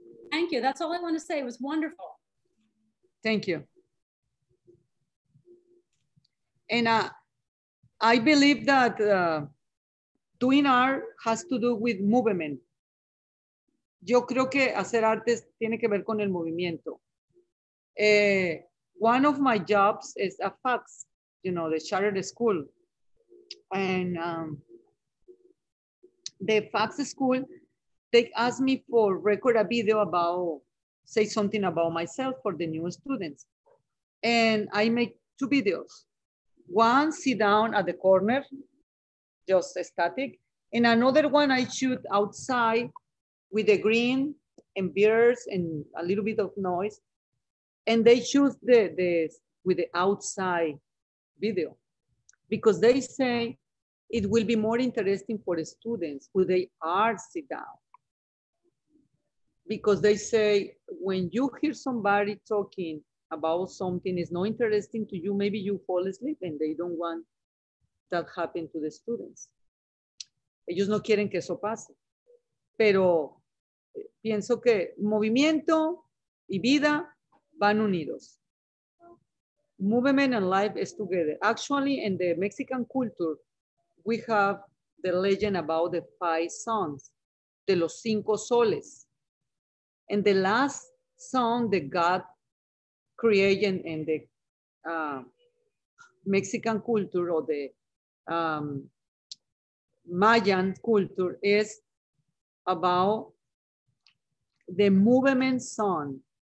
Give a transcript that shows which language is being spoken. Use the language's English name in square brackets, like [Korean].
[English] Thank you. That's all I want to say. It was wonderful. Thank you. And I believe that doing art has to do with movement. [Spanish] Yo creo que hacer artes tiene que ver con el movimiento. [English] One of my jobs is a fax, you know, the charter school. And the fax school, they asked me for record a video about, say something about myself for the new students. And I make two videos. One, sit down at the corner, just static. And another one I shoot outside with the green and beers and a little bit of noise. And they choose the with the outside video, because they say it will be more interesting for the students who they are sit down. Because they say, when you hear somebody talking about something is not interesting to you, maybe you fall asleep, and they don't want that happen to the students. [Spanish] Ellos no quieren que eso pase. Pero pienso que movimiento y vida van unidos. [English] Movement and life is together. Actually, in the Mexican culture, we have the legend about the five sons, [Spanish] de los cinco soles. [English] And the last song that God created in the Mexican culture or the Mayan culture is about the movement song.